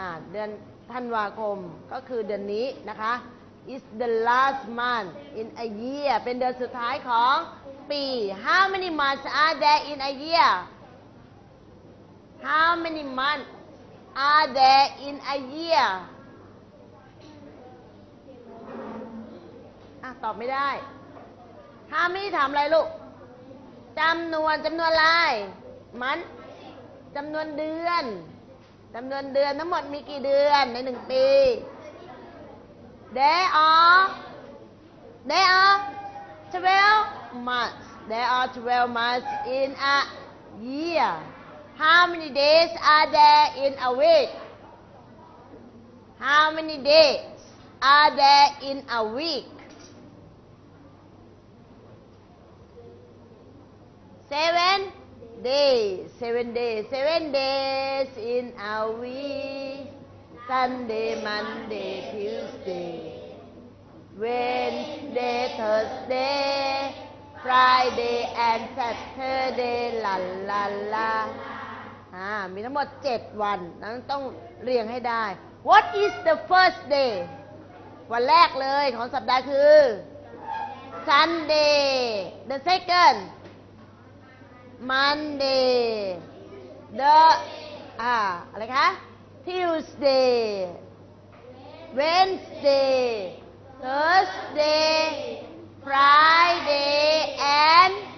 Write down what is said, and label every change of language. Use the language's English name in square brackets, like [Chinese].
[Thai] เดือนธันวาคมก็คือเดือนนี้นะคะ [English] Is the last month in a year. [Thai] เป็นเดือนสุดท้ายของปี [English] How many months are there in a year? How many months are there in a year? [Thai] ตอบไม่ได้ถ้าไม่ถามอะไรลูกจำนวนจำนวนอะไรมันจำนวนเดือนจำนวนเดือนทั้งหมดมีกี่เดือนในหนึ่งปี [English] There are 12 months in a yearHow many days are there in a week? How many days are there in a week? 7 days. 7 days. 7 days in a week. Sunday, Monday, Tuesday, Wednesday, Thursday, Friday, and Saturday. La la la. [Thai] มีทั้งหมด7วันนั้นต้องเรียงให้ได้ [English] What is the first day [Thai] วันแรกเลยของสัปดาห์คือ [English] Sunday The second Monday The [Thai] อะไรคะ [English] Tuesday Wednesday Thursday Friday and